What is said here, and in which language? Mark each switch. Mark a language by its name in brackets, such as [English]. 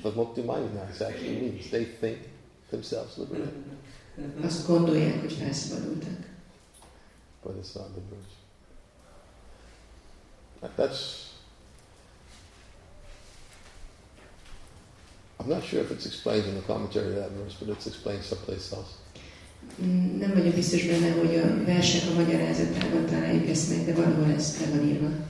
[English] But mukti mindedness actually means they think themselves liberated. [Hungarian] Azt gondolják, hogy felszabadultak. [English] but it's not the bridge. That's, I'm not sure if it's explained in the commentary of that verse, but it's explained someplace else. [Hungarian] Nem vagyok biztos benne, hogy a versek a magyarázatában találjuk ezt meg, de valahol ez el van írva.